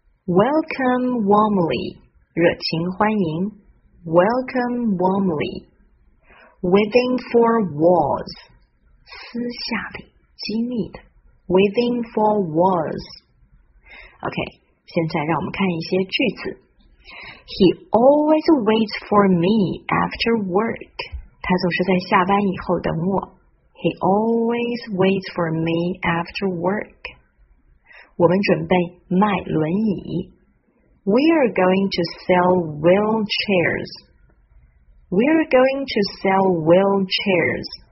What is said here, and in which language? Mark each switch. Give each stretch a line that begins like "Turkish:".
English: Welcome warmly,
Chinese: 热情欢迎。
English: Welcome warmly. Within four walls,
Chinese: 私下里机密的。
English: Within four walls. OK,
Chinese: 现在让我们看一些句子。
English: He always waits for me after work.
Chinese: 他总是在下班以后等我。
English: He always waits for me after work.
Chinese: 我们准备卖轮椅。
English: We are going to sell wheelchairs. We are going to sell wheelchairs.